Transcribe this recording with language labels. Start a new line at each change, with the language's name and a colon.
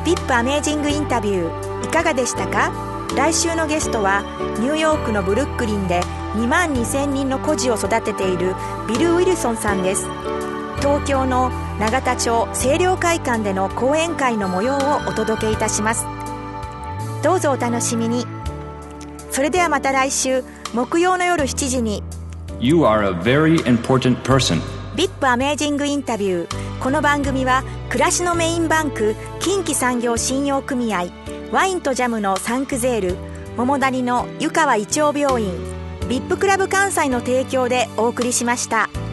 Japanese: アメージングインタビューいかがでしたか。来週のゲストはニューヨークのブルックリンで2万2000人の孤児を育てているビル・ウィルソンさんです。東京の永田町清涼会館での講演会の模様をお届けいたします。どうぞお楽しみに。それではまた来週木曜の夜7時に
English: You are a very important person.
Japanese: VIP アメージングインタビュー。この番組は暮らしのメインバンク近畿産業信用組合、ワインとジャムのサンクゼール、桃谷の湯川胃腸病院、 VIP クラブ関西の提供でお送りしました。